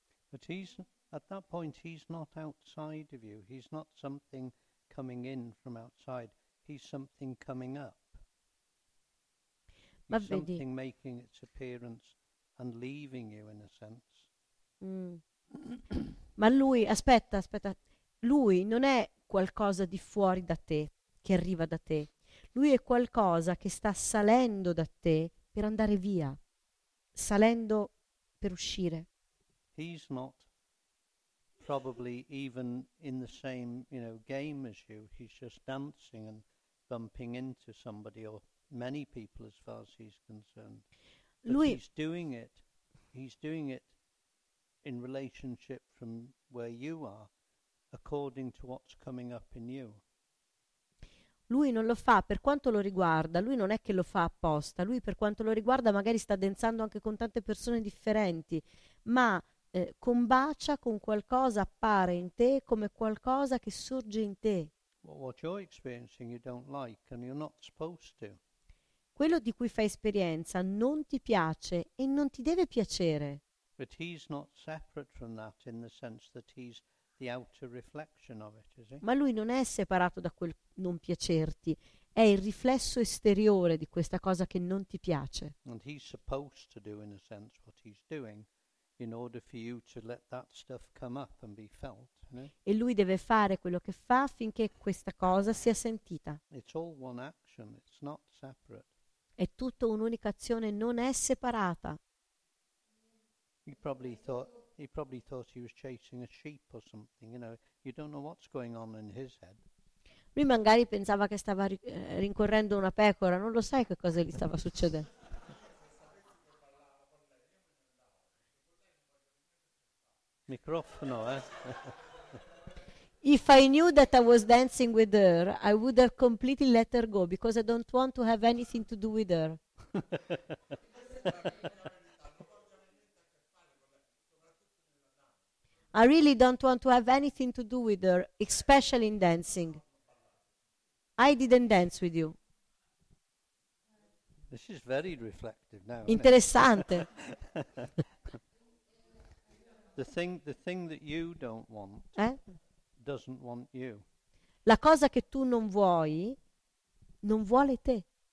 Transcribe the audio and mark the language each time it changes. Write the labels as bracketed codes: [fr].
[en] But he's at that point, he's not outside of you. He's not something coming in from outside. He's something coming up. He's something making its appearance and leaving you, in a sense. [it] Ma lui, aspetta, aspetta, lui non è qualcosa di fuori da te, che arriva da te. Lui è qualcosa che sta salendo da te per andare via, salendo per uscire. [en] He's not probably even in the same, you know, game as you. He's just dancing and bumping into somebody or many people as far as he's concerned. [it] Lui, [en] he's doing it in relationship from where you are, according to what's coming up in you. [it] Lui non lo fa per quanto lo riguarda, lui non è che lo fa apposta, lui per quanto lo riguarda magari sta danzando anche con tante persone differenti, ma combacia con qualcosa, appare in te come qualcosa che sorge in te. [en] Well, what you're experiencing you don't like and you're not supposed to. [it] Quello di cui fai esperienza non ti piace e non ti deve piacere. [en] But he's not separate from that in the sense that he's the outer reflection of it, is he? [it] Ma lui non è separato da quel non piacerti, è il riflesso esteriore di questa cosa che non ti piace. [en] And he's supposed to do in a sense what he's doing in order for you to let that stuff come up and be felt, no? [it] E lui deve fare quello che fa affinché questa cosa sia sentita. [en] It's all one action, it's not separate. [it] È tutta un'unica azione, non è separata. [en] He probably thought he was chasing a sheep or something, you know. You don't know what's going on in his head. [it] Lui magari pensava che stava rincorrendo una pecora, non lo sai che cosa gli stava succedendo. Microfono, [en] If I knew that I was dancing with her, I would have completely let her go because I don't want to have anything to do with her. I really don't want to have anything to do with her, especially in dancing. I didn't dance with you. This is very reflective now. [it] Interessante. [en] The thing that you don't want doesn't want you. [it] La cosa che tu non vuoi non vuole te.